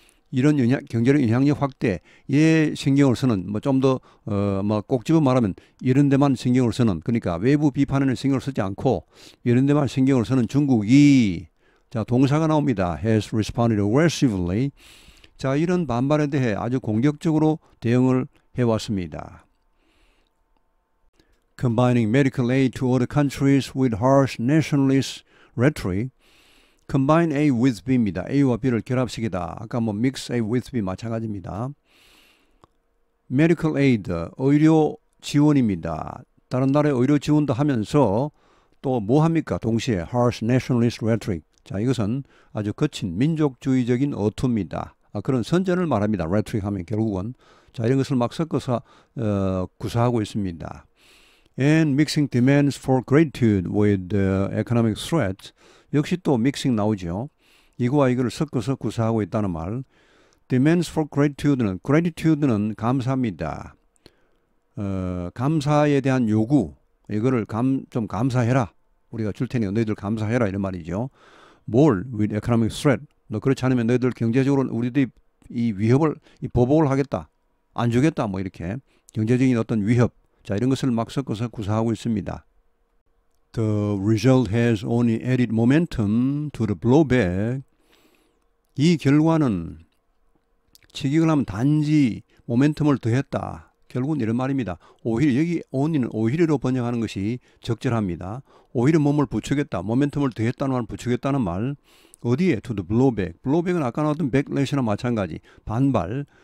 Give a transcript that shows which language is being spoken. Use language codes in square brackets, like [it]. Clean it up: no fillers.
[ko] 이런 영향, 경제력 영향력 확대에 신경을 쓰는, 뭐 좀 더 뭐 꼭 집어 말하면 이런 데만 신경을 쓰는, 그러니까 외부 비판에는 신경을 쓰지 않고 이런 데만 신경을 쓰는 중국이, 자, 동사가 나옵니다. [en] has responded aggressively. [ko] 자, 이런 반발에 대해 아주 공격적으로 대응을 해왔습니다. [en] Combining medical aid to other countries with harsh nationalist rhetoric. Combine A with B [ko] 입니다. A와 B를 결합시키다. 아까 뭐 [en] mix A with B [ko] 마찬가지입니다. [en] Medical aid, [ko] 의료 지원입니다. 다른 나라의 의료 지원도 하면서 또 뭐 합니까? [en] 동시에 harsh nationalist rhetoric. [ko] 자, 이것은 아주 거친 민족주의적인 어투입니다. 아, 그런 선전을 말합니다. rhetoric 하면 결국은. 자, 이런 것을 막 섞어서 구사하고 있습니다. [en] And mixing demands for gratitude with economic threat. [ko] 역시 또 믹싱 나오죠. 이거와 이거를 섞어서 구사하고 있다는 말. [en] Demands for gratitude는, gratitude는 [ko] 감사합니다. 감사에 대한 요구. 이거를 좀 감사해라. 우리가 줄 테니 너희들 감사해라. 이런 말이죠. [en] More with economic threat. [ko] 너 그렇지 않으면 너희들 경제적으로 우리들이 이 위협을, 이 보복을 하겠다. 안 주겠다. 뭐 이렇게. 경제적인 어떤 위협. 자, 이런 것을 막 섞어서 구사하고 있습니다. [en] The result has only added momentum to the blowback. [ko] 이 결과는 직역을 하면 단지 모멘텀을 더했다. 결국은 이런 말입니다. 오히려 여기 only는 오히려로 번역하는 것이 적절합니다. 오히려 몸을 부추겼다. 모멘텀을 더했다는 말, 부추겼다는 말. 어디에? [en] To the blowback. [ko] Blowback은 아까 나왔던 backlash나 마찬가지. 반발.